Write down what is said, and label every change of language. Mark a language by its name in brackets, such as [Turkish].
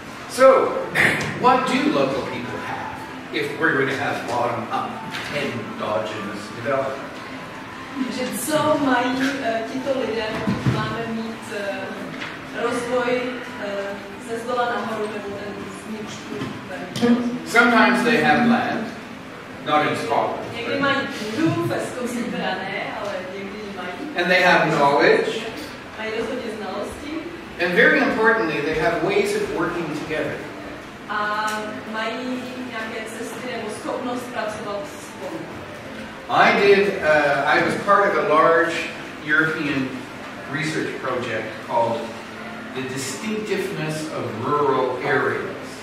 [English] So, what do local people have if we're going to have bottom up endogenous development? [Czech] Že co mají tito lidé, pokud máme mít rozvoj ze zdola nahoru nebo ten vnitřku. [English] Sometimes they have land, not in Scotland. [Czech] Někdy mají půdu ve Skotsku, teda ne, ale někdy mají. [English] And they have knowledge. [Czech] Mají rozhodně znalosti. [English] And very importantly, they have ways of working together. [Czech] A mají nějaké cesty nebo schopnost pracovat spolu. [English] I did, I was part of a large European research project called The Distinctiveness of Rural Areas.